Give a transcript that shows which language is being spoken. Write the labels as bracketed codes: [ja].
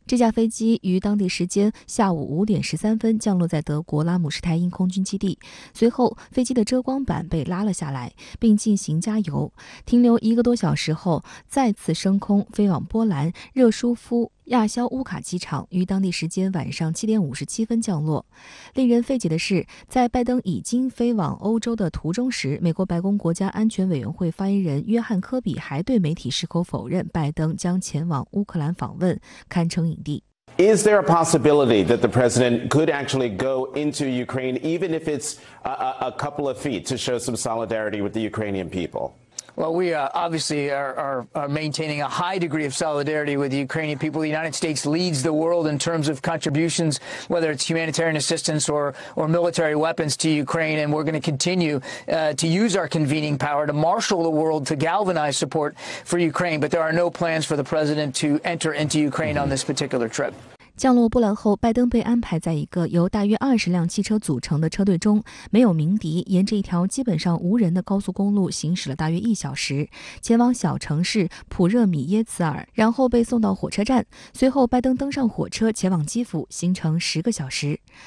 [zh] 这架飞机于当地时间下午5点13分降落在德国拉姆施泰因空军基地，随后飞机的遮光板被拉了下来，并进行加油，停留1个多小时后再次升空，飞往波兰热舒夫亚肖乌卡机场，于当地时间晚上7点57分降落。令人费解的是，在拜登已经飞往欧洲的途中时，美国白宫国家安全委员会发言人约翰·科比还对媒体矢口否认拜登将前往乌克兰访问，堪称影帝。 [en] Is there a possibility that the president could actually go into Ukraine, even if it's a couple of feet, to show some solidarity with the Ukrainian people? Well, we obviously are maintaining a high degree of solidarity with the Ukrainian people. The United States leads the world in terms of contributions, whether it's humanitarian assistance or military weapons to Ukraine. And we're going to continue to use our convening power to marshal the world to galvanize support for Ukraine. But there are no plans for the president to enter into Ukraine on this particular trip. [zh] 降落波兰后，拜登被安排在一个由大约20辆汽车组成的车队中，没有鸣笛，沿着一条基本上无人的高速公路行驶了大约一小时，前往小城市普热米耶茨尔，然后被送到火车站。随后拜登登上火车前往基辅，行程10个小时。